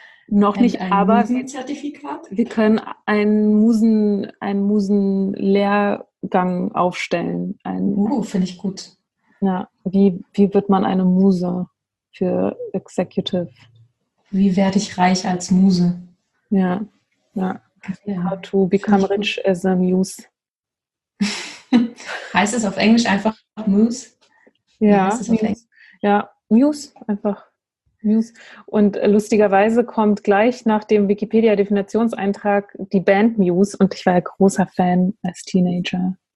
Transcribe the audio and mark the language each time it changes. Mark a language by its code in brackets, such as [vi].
[de] Noch nicht, aber wir können einen Musenlehrgang aufstellen. Finde ich gut. Ja, wie wird man eine Muse für Executive? Wie werde ich reich als Muse? Ja. [en] How to become rich as a muse. [de] Heißt es auf Englisch einfach Muse? Ja, Muse einfach. Muse. Und lustigerweise kommt gleich nach dem Wikipedia-Definitionseintrag die Band Muse und ich war ja großer Fan als Teenager.